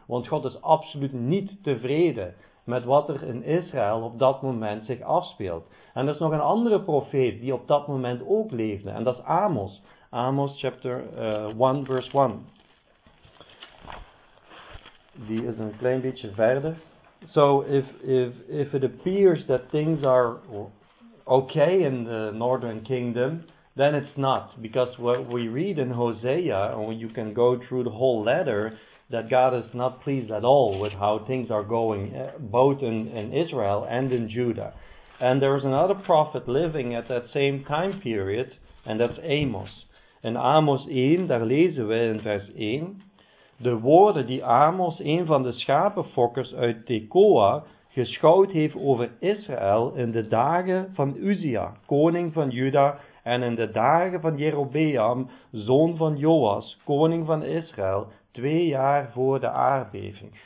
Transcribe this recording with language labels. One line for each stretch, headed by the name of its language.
Dutch: Want God is absoluut niet tevreden met wat er in Israël op dat moment zich afspeelt. En er is nog een andere profeet die op dat moment ook leefde. En dat is Amos.
English: Amos chapter 1 verse 1.
Dutch: Die is een klein beetje verder.
English: So if it appears that things are okay in the northern kingdom, then it's not. Because what we read in Hosea, and you can go through the whole letter, that God is not pleased at all with how things are going, both in Israel and in Judah. And there is another prophet living at that same time period, and that's Amos.
Dutch: In Amos 1, daar lezen we in vers 1, de woorden die Amos, een van de schapenfokkers uit Tekoa, geschouwd heeft over Israël in de dagen van Uzia, koning van Juda, en in de dagen van Jerobeam, zoon van Joas, koning van Israël, 2 jaar voor de aardbeving.